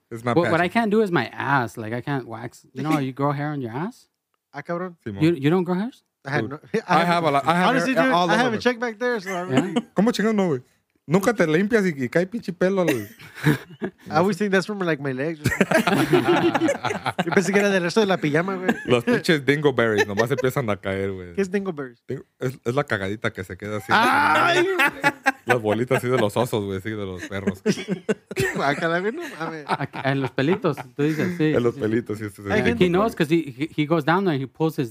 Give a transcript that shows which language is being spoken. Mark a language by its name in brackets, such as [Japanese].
[English] It's not patchy. What I can't do is my ass. Like, I can't wax. You know, you grow hair on your ass. [Spanish] I cabrón. [English] You don't grow hairs? I have a lot. Honestly, dude, I have a check back there. [Spanish] ¿Cómo chingando, güey? Nunca te limpias y cae pinche pelo. [English] I always think that's from like my legs. [Spanish] Yo pensé que era del resto de la pijama, güey. Los pinches dingleberries nomás empiezan a caer, güey. ¿Qué es dingleberries? Es la cagadita que se queda así. ¡Ay! Las bolitas así de los osos, güey, así de los perros. A cada vez no mames. En los pelitos, tú dices, sí. En los pelitos, sí. [English] He knows because he goes down there and he pulls his